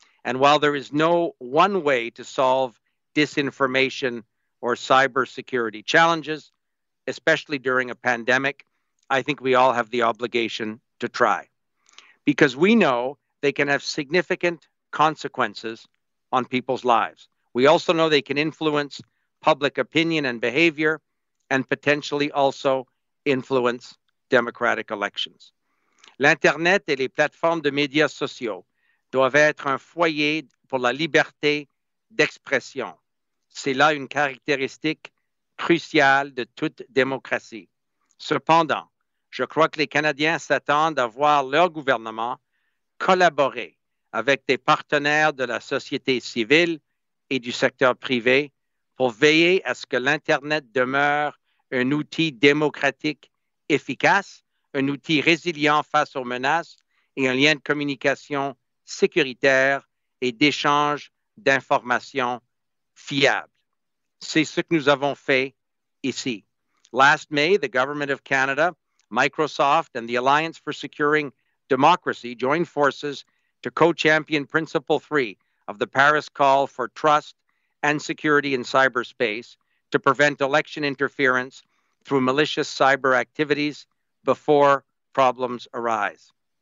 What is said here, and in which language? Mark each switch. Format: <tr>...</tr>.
<en>And while there is no one way to solve disinformation or cybersecurity challenges, especially during a pandemic, I think we all have the obligation to try. Because we know they can have significant consequences on people's lives. We also know they can influence public opinion and behavior and potentially also influence democratic elections.</en> <fr>L'Internet et les plateformes de médias sociaux doivent être un foyer pour la liberté d'expression. C'est là une caractéristique cruciale de toute démocratie. Cependant, je crois que les Canadiens s'attendent à voir leur gouvernement collaborer avec des partenaires de la société civile et du secteur privé pour veiller à ce que l'Internet demeure un outil démocratique efficace, un outil résilient face aux menaces et un lien de communication sécuritaire et d'échange d'informations fiables. C'est ce que nous avons fait ici.</fr> <en>Last May, the Government of Canada, Microsoft, and the Alliance for Securing Democracy joined forces to co-champion Principle 3 of the Paris Call for Trust and Security in Cyberspace to prevent election interference through malicious cyber activities before problems arise.</en>